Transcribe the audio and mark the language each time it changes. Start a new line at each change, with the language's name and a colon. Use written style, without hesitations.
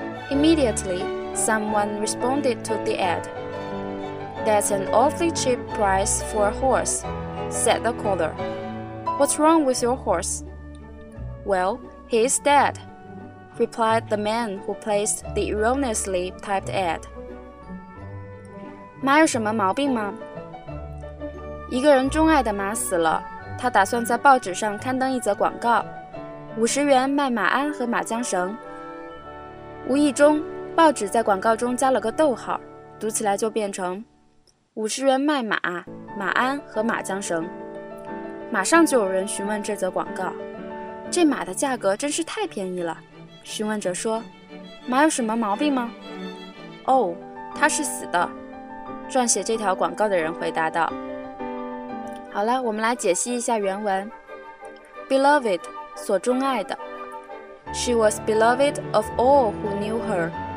English: Immediately, someone responded to the ad. That's an awfully cheap price for a horse, said the caller. What's wrong with your horse? Well, he's dead, replied the man who placed the erroneously typed ad.
Chinese: 马有什么毛病吗？一个人钟爱的马死了，他打算在报纸上刊登一则广告，50元卖马鞍和马缰绳。无意中，报纸在广告中加了个逗号，读起来就变成50元卖马、马鞍和马缰绳。马上就有人询问这则广告，这马的价格真是太便宜了。询问者说，马有什么毛病吗？哦，它是死的。撰写这条广告的人回答道。好了，我们来解析一下原文。 Beloved, 所钟爱的。
English: She was beloved of all who knew her.